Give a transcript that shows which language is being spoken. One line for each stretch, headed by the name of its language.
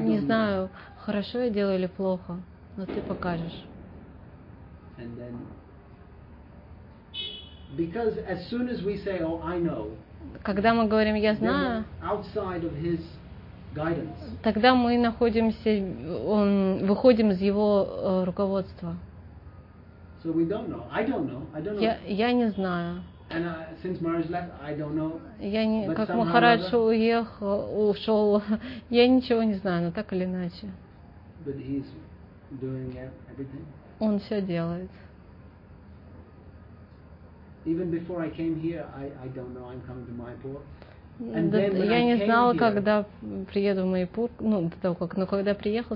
Russian: не знаю, хорошо я делаю или плохо, но ты покажешь.
English: Because as soon as we say, oh, I know.
Russian: Когда мы говорим, я знаю,
English: outside of his
Russian: тогда мы находимся, он, выходим из его руководства.
English: So we don't know. I don't know.
Russian: Я не знаю.
English: And since Maharaj left, I don't know.
Russian: Я не,
English: but
Russian: как Махарадж уехал, ушел, я ничего не знаю, но так или иначе.
English: But he's doing everything.
Russian: Он все делает.
English: Even before I came here, I don't know. I'm coming to Mayapur. And then
Russian: я не знала,
English: here,
Russian: когда приеду в Майпур, ну, до того как, но когда приехал